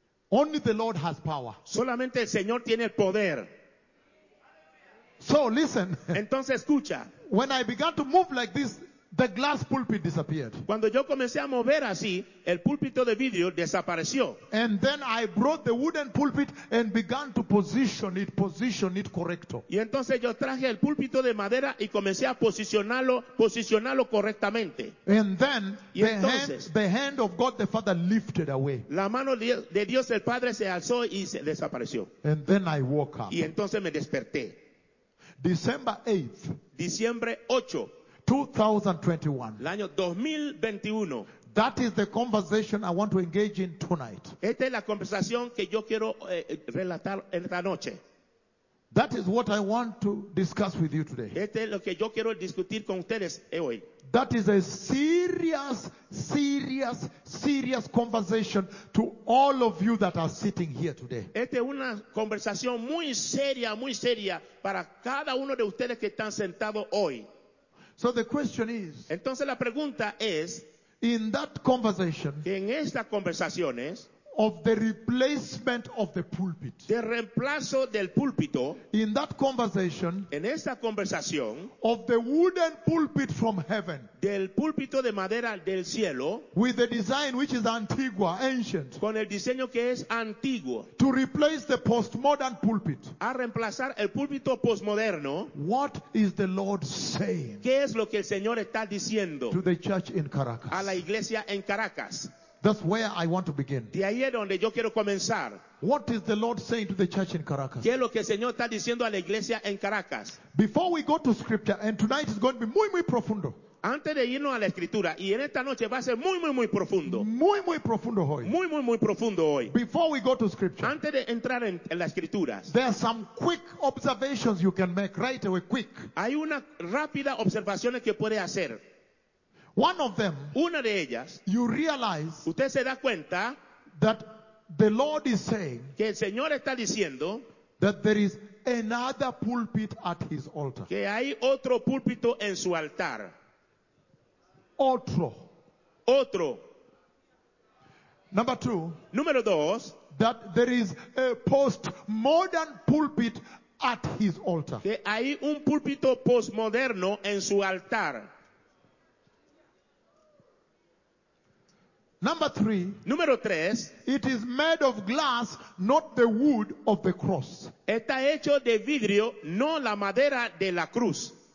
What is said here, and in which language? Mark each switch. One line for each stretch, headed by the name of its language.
English: Only the Lord has power.
Spanish: Solamente el Señor tiene el poder.
English: So listen.
Spanish: Entonces escucha.
English: When I began to move like this, the glass pulpit disappeared.
Spanish: Cuando yo comencé a mover así, el púlpito de vidrio desapareció.
English: And then I brought the wooden pulpit and began to position it
Spanish: correcto. Y entonces yo traje el púlpito de madera y comencé a posicionarlo correctamente.
English: And then the hand of God the Father lifted away.
Spanish: La mano de Dios el Padre se alzó y se desapareció.
English: And then I woke up.
Spanish: Y entonces me desperté.
English: December 8th.
Spanish: Diciembre 8.
English: 2021.
Spanish: El año 2021.
English: That is the conversation I want to engage in tonight.
Spanish: Esta es la conversación que yo quiero relatar esta noche.
English: That is what I want to discuss with you today.
Spanish: Este es lo que yo quiero discutir con ustedes hoy.
English: That is a serious, serious, serious conversation to all of you that are sitting here today.
Spanish: Esta es una conversación muy seria para cada uno de ustedes que están sentados hoy.
English: So the question is,
Spanish: entonces la pregunta es,
English: in that conversation,
Spanish: en estas conversaciones,
English: of the replacement of the pulpit,
Spanish: de reemplazo del púlpito,
English: in that conversation,
Spanish: en esta conversación,
English: of the wooden pulpit from heaven,
Spanish: del púlpito de madera del cielo,
English: with the design which is
Spanish: antigua,
English: ancient,
Spanish: con el diseño que es antiguo,
English: to replace the postmodern pulpit,
Spanish: a reemplazar el púlpito postmoderno,
English: what is the Lord saying?
Spanish: ¿Qué es lo que el Señor está diciendo?
English: To the church in Caracas,
Spanish: a la iglesia en Caracas.
English: That's where I want to begin.
Spanish: De ahí es donde yo quiero comenzar.
English: What is the Lord saying to the church in Caracas?
Spanish: ¿Qué es lo que el Señor está diciendo a la iglesia en Caracas?
English: Before we go to scripture, and tonight is going to be
Spanish: muy, muy profundo. Antes de irnos a la escritura, y en esta noche va a ser muy, muy, muy profundo. Muy, muy profundo hoy. Muy, muy, muy profundo hoy.
English: Before we go to scripture.
Spanish: Antes de entrar en las escrituras.
English: There are some quick observations you can make right away, quick.
Spanish: Hay una rápida observación que puede hacer.
English: One of them,
Spanish: una de ellas,
English: you realize,
Spanish: usted se da cuenta,
English: that the Lord is saying,
Spanish: que el Señor está diciendo,
English: that there is another pulpit at his altar,
Spanish: que hay otro púlpito en su altar, otro.
English: Number two,
Spanish: número dos,
English: that there is a postmodern pulpit at his altar,
Spanish: que hay un púlpito postmoderno en su altar.
English: Number three,
Spanish: número tres,
English: it is made of glass, not the wood of the cross.
Spanish: Está hecho de vidrio, no la madera de la cruz.